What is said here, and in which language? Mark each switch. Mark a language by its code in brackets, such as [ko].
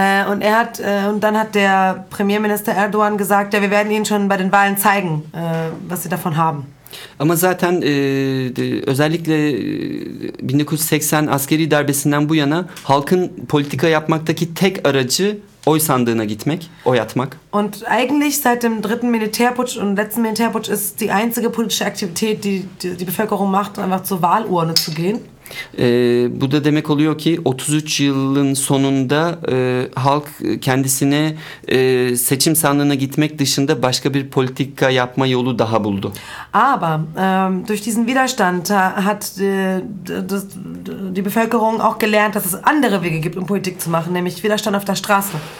[de] Und er hat und dann hat der Premierminister Erdogan gesagt, ja, wir werden Ihnen schon bei den Wahlen zeigen, was Sie davon haben. [tr] Ama zaten özellikle 1980 askeri darbesinden bu yana halkın politika yapmaktaki tek aracı oy sandığına gitmek, oy atmak. [de] Und eigentlich seit dem dritten Militärputsch und letzten Militärputsch ist die einzige politische Aktivität, die die Bevölkerung macht, einfach zur Wahlurne zu gehen. [tr] Bu da demek oluyor ki 33 yılın sonunda halk kendisine seçim sandığına gitmek dışında başka bir politika yapma yolu daha buldu. [de] Aber durch diesen Widerstand hat die Bevölkerung auch gelernt, dass es andere Wege gibt, um Politik zu machen, nämlich Widerstand auf der Straße.